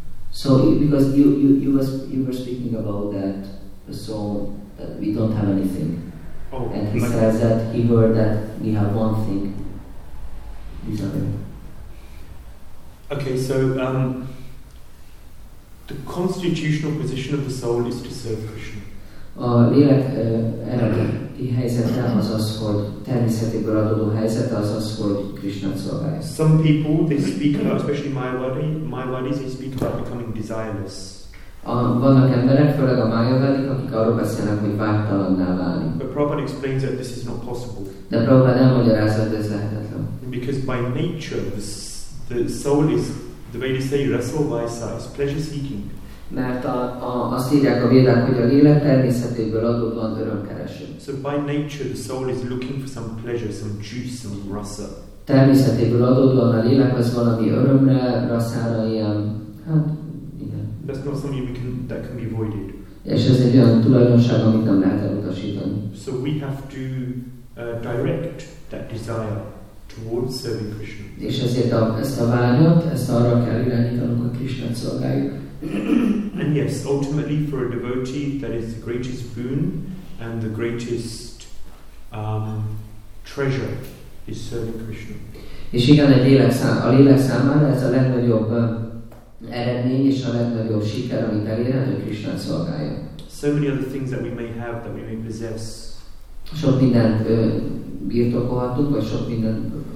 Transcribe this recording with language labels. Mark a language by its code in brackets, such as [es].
[en] So, because you were speaking about that, the soul, that we don't have anything. Oh, and he like says that he heard that we have one thing. Okay, so the constitutional position of the soul is to serve Krishna. [hu] A lélek eredeti helyzete az, hogy természetéből adódó helyzet az, hogy Krishna szolgálja. [en] Some people they speak about, especially Mayavadis, they speak about becoming desireless. [hu] Vannak emberek, főleg a Mayavadik, akik arról beszélnek, hogy vágytalanná válni. [en] But Prabhupada explains that this is not possible. [hu] De Prabhupada elmagyarázza, hogy ez lehetetlen. [en] Because by nature the soul is, the way they say, rasa vaisa, is pleasure seeking. [hu] Mert azt írják a Védák, hogy a lélek természetéből adódóan örömkereső. [en] So by nature the soul is looking for some pleasure, some juice, some rasa. [hu] Természetéből adódóan a lélek az valami örömre, rasszára, ilyen, hát igen. [en] That's not something that can be avoided. [hu] És ez egy olyan tulajdonság, amit nem lehet elutasítani. [en] So we have to direct that desire towards serving Krishna. [hu] És ezért ezt a vágyat, ezt arra kell irányítanunk, hogy Krishnát szolgáljuk. [en] And yes, ultimately for a devotee that is the greatest boon and the greatest treasure is serving Krishna. [hu] És igen, a lélek számára ez a legnagyobb eredmény és a legnagyobb siker, amit elérhet, hogy Krishnát szolgálja. [en] So many other things that we may have, that we may possess. [hu] Sok mindent birtokolhatunk, vagy sok mindent